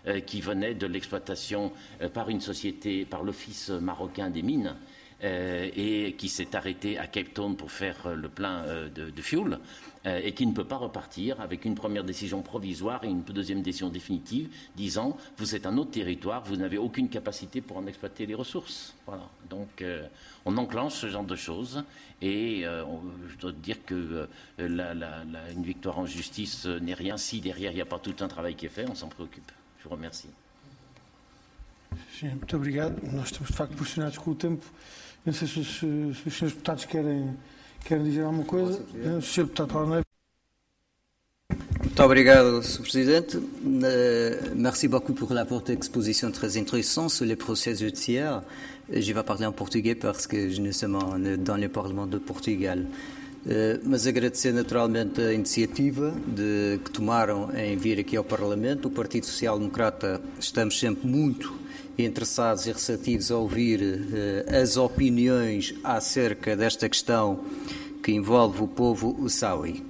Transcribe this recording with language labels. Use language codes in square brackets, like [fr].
[fr] qui venait de l'exploitation par une société, par l'Office marocain des mines, et qui s'est arrêté à Cape Town pour faire le plein de fuel, et qui ne peut pas repartir, avec une première décision provisoire et une deuxième décision définitive disant vous êtes un autre territoire, vous n'avez aucune capacité pour en exploiter les ressources. Voilà. Donc on enclenche ce genre de choses, et je dois te dire que une victoire en justice n'est rien si derrière il n'y a pas tout un travail qui est fait. On s'en préoccupe. Je vous remercie. [pt] Sim, muito obrigado. Nós estamos de facto pressionados com o tempo. Não sei se os senhores deputados querem dizer alguma coisa. O senhor deputado Paulo Neves. Muito obrigado, Sr. Presidente. [fr] Merci beaucoup pour la votre exposition très intéressante sur les procès judiciaires. Je vais parler en português parce que je ne suis pas dans le Parlement de Portugal. [pt] Mas agradecer naturalmente a iniciativa que tomaram em vir aqui ao Parlamento. O Partido Social Democrata estamos sempre muito interessados e receptivos a ouvir as opiniões acerca desta questão que envolve o povo Saui.